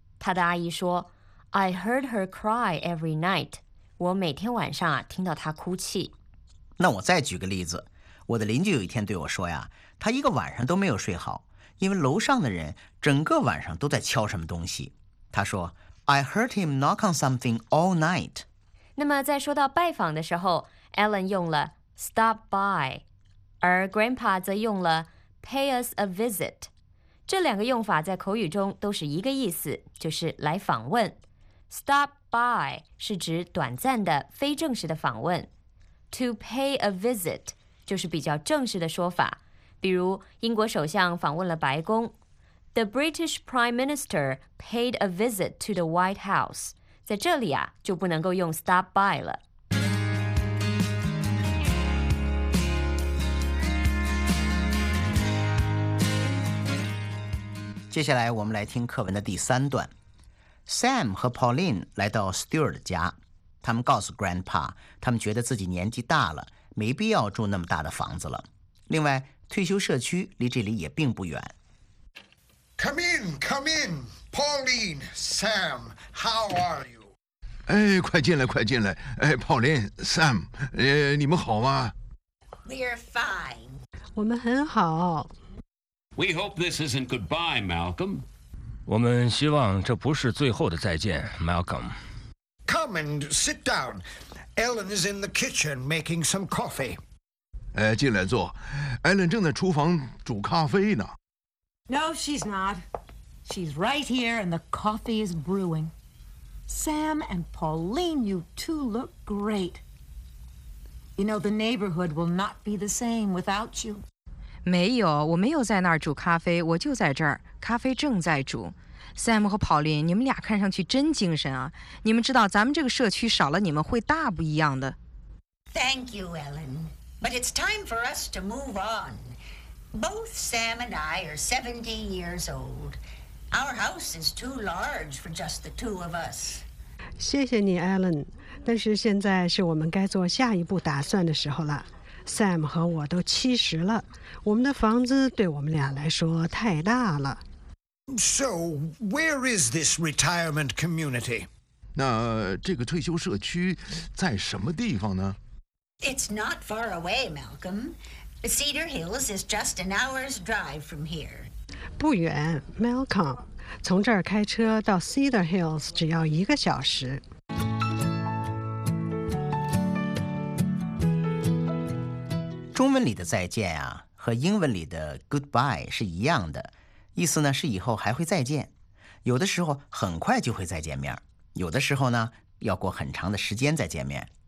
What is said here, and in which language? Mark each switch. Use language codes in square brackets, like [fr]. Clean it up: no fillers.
[zh] 她的阿姨说 [en] I heard her cry every night， [zh] 我每天晚上啊听到她哭泣。那我再举个例子，我的邻居有一天对我说呀，她一个晚上都没有睡好，因为楼上的人整个晚上都在敲什么东西。他说 [en] I heard him knock on something all night。 [zh] 那么在说到拜访的时候， Alan 用了 [en] stop by， [zh] 而 Grandpa 则用了 [en] pay us a visit。 [zh] 这两个用法在口语中都是一个意思，就是来访问。 [en] stop by [zh] 是指短暂的非正式的访问， [en] to pay a visit [zh] 就是比较正式的说法。比如英国首相访问了白宫， [en] The British Prime Minister paid a visit to the White House. [zh] 在这里啊，就不能够用 [en] stop by [zh] 了。接下来我们来听课文的第三段。Sam 和 Pauline 来到 Stuart 家，他们告诉 Grandpa， 他们觉得自己年纪大了，没必要住那么大的房子了。另外，退休社区离这里也并不远。 [en] Come in, come in, Pauline, Sam, how are you? [zh] 哎，快进来，快进来。哎 ，Pauline, Sam, 你们好吗 [en] ？We're fine. [zh] 我们很好。 [en] We hope this isn't goodbye, Malcolm. [zh] 我们希望这不是最后的再见 ，Malcolm. [en] Come and sit down. Ellen is in the kitchen making some coffee. [zh] 哎，进来坐。 Ellen 正在厨房煮咖啡呢。 [en] No, she's not. She's right here, and the coffee is brewing. Sam and Pauline, you two look great. You know, the neighborhood will not be the same without you. [zh] 没有，我没有在那儿煮咖啡，我就在这儿，咖啡正在煮。 Sam 和 Pauline， 你们俩看上去真精神啊！你们知道咱们这个社区少了你们会大不一样的。 [en] Thank you, Ellen. But it's time for us to move on. Both Sam and I are 70 years old. Our house is too large for just the two of us. [zh] 谢谢你 ，Ellen。但是现在是我们该做下一步打算的时候了。 Sam 和我都70了，我们的房子对我们俩来说太大了。 [en] So, where is this retirement community? [zh] 那这个退休社区在什么地方呢？ [en] It's not far away, Malcolm. Cedar Hills is just an hour's drive from here. [zh] 不远 ,Malcolm. 从这儿开车到 Cedar Hills 只要一个小时。中文里的再见啊，和英文里的 goodbye 是一样的。意思呢是以后还会再见，有的时候很快就会再见面，有的时候呢要过很长的时间再见面。